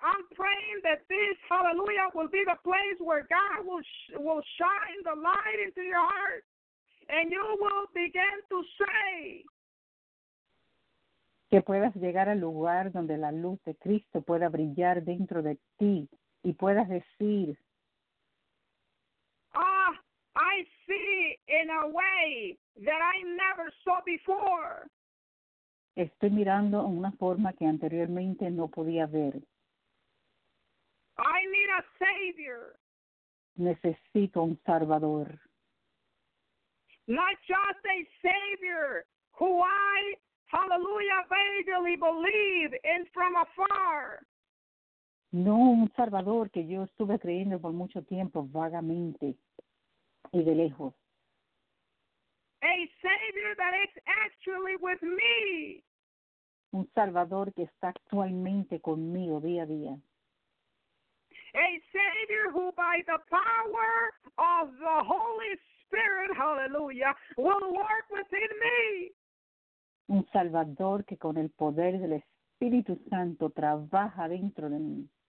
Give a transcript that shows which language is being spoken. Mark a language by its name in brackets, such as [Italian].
[English] I'm praying that this, hallelujah, will be the place where God will shine the light into your heart. And you will begin to say. [Spanish] Que puedas llegar al lugar donde la luz de Cristo pueda brillar dentro de ti. Y puedas decir. [English] Ah, I see in a way that I never saw before. [Spanish] Estoy mirando en una forma que anteriormente no podía ver. [English] I need a savior. [Spanish] Necesito un salvador. [English] Not just a savior who I, hallelujah, vaguely believe in from afar. [Spanish] No un salvador que yo estuve creyendo por mucho tiempo vagamente y de lejos. [English] A savior that is actually with me. [Spanish] Un salvador que está actualmente conmigo día a día. [English] A savior who by the power of the Holy Spirit, hallelujah, will work within me. [Spanish] Un salvador que con el poder del Espíritu Santo trabaja dentro de mí.